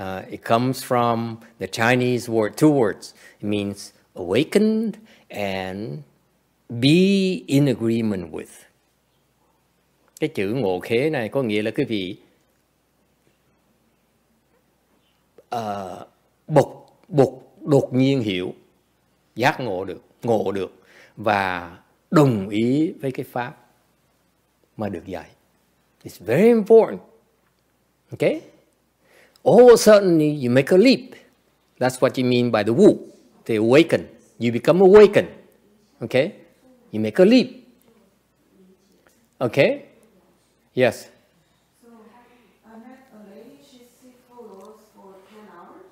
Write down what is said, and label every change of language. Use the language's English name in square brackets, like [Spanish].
[English] It comes from the Chinese word, two words. It means awakened and be in agreement with. [Vietnamese] Cái chữ ngộ khế này có nghĩa là cái vị bộc đột nhiên hiểu, giác ngộ được và đồng ý với cái pháp mà được dạy. [English] It's very important. Okay? All of a sudden you make a leap. That's what you mean by the wu. The awaken. You become awakened. Okay? You make a leap. Okay? Yes. So, I met a lady, she's sick for 10 hours.